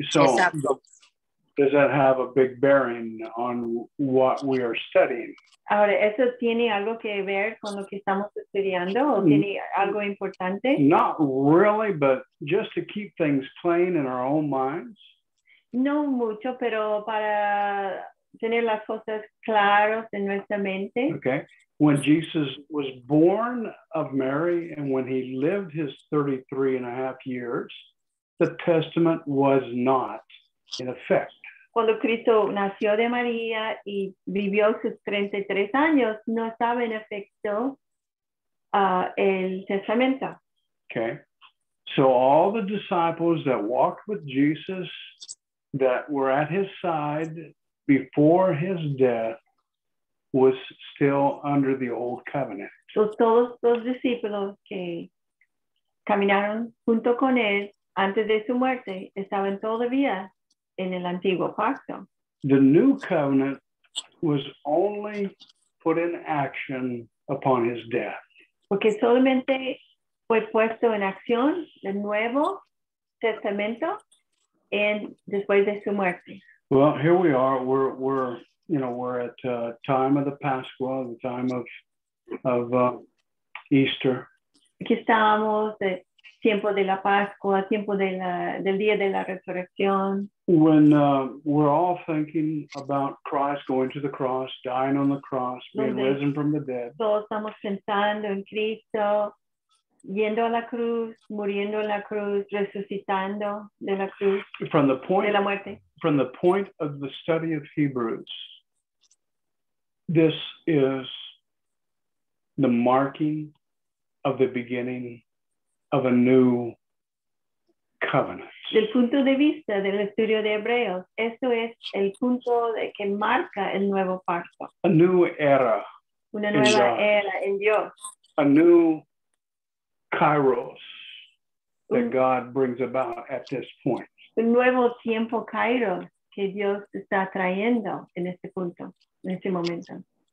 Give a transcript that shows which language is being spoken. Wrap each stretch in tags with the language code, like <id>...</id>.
<en>so does that have a big bearing on what we are studying?</en> <es>Ahora, ¿eso tiene algo que ver con lo que estamos estudiando? ¿O tiene algo importante?</es> <en>Not really, but just to keep things plain in our own minds.</en> <es>No mucho, pero para tener las cosas claras en nuestra mente.</es> <en>Okay. When Jesus was born of Mary and when he lived his 33 and a half years, the testament was not in effect.</en> <es>Cuando Cristo nació de María y vivió sus 33 años, no estaba en efecto el testamento.</es> <en>Okay. So all the disciples that walked with Jesus, that were at his side before his death, was still under the old covenant.</en> <es>Todos los discípulos que caminaron junto con él antes de su muerte estaban todavía en el antiguo pacto.</es> <en>The new covenant was only put in action upon his death.</en> <es>Porque solamente fue puesto en acción el nuevo testamento en después de su muerte.</es> <en>Well, here we are. We're at time of the Pascua, the time of Easter.</en> <es>Aquí estamos de tiempo de la Pascua, tiempo de la del día de la resurrección.</es> <en>When we're all thinking about Christ going to the cross, dying on the cross, being risen from the dead.</en> <es>Todos estamos pensando en Cristo yendo a la cruz, muriendo en la cruz, resucitando de la cruz.</es> <en>From the point</en> <es>de la muerte.</es> <en>From the point of the study of Hebrews, this is the marking of the beginning of a new covenant.</en> <es>Del punto de vista del estudio de Hebreos, esto es el punto de que marca el nuevo pacto.</es> <en>A new era.</en> <es>Una nueva era en Dios.</es> <en>A new kairos that God brings about at this point.</en> <es>Un nuevo tiempo kairos que Dios está trayendo en este punto, en este momento.</es>